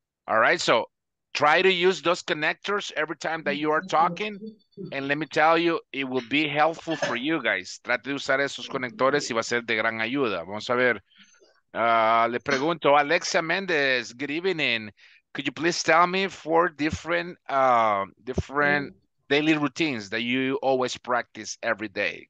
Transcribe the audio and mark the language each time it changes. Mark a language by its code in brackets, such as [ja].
[en] All right, so try to use those connectors every time that you are talking. And let me tell you, it will be helpful for you guys. [es] Trate de usar esos conectores y va a ser de gran ayuda. Vamos a ver. Le pregunto, Alexia Mendez, [en] good evening. Could you please tell me four different daily routines that you always practice every day?